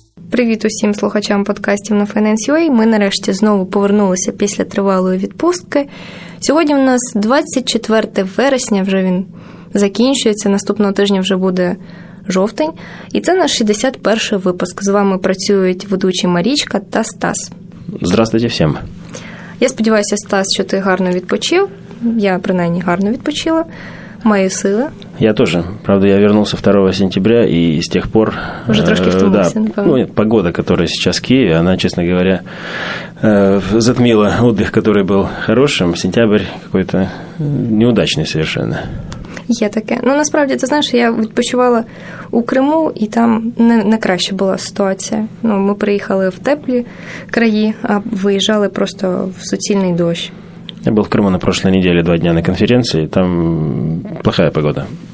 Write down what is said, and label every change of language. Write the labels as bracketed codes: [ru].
[uk] Привіт усім слухачам подкастів на Finance.ua. Ми нарешті знову повернулися після тривалої відпустки. Сьогодні в нас 24 вересня, вже він закінчується, наступного тижня вже буде жовтень. І це наш 61-й випуск. З вами працюють ведучі Марічка та Стас. [ru] Здравствуйте [uk] всім. Я сподіваюся, Стас, що ти гарно відпочив. Я, принаймні, гарно відпочила. Маю сили. [ru] Я тоже. Правда, я вернулся 2 сентября, и с тех пор... [uk] Уже трошки втомился, [ru] да, ну, погода, которая сейчас в Киеве, она, честно говоря, затмила отдых, который был хорошим. Сентябрь какой-то неудачный совершенно. [uk] Є таке. Ну, насправді, ти знаєш, я відпочивала у Криму, і там не краще була ситуація. Ну, ми приїхали в теплі краї, а виїжджали просто в суцільний дощ. Я був в Криму на прошлой неділі 2 дні на конференції, там [ru] плохая погода.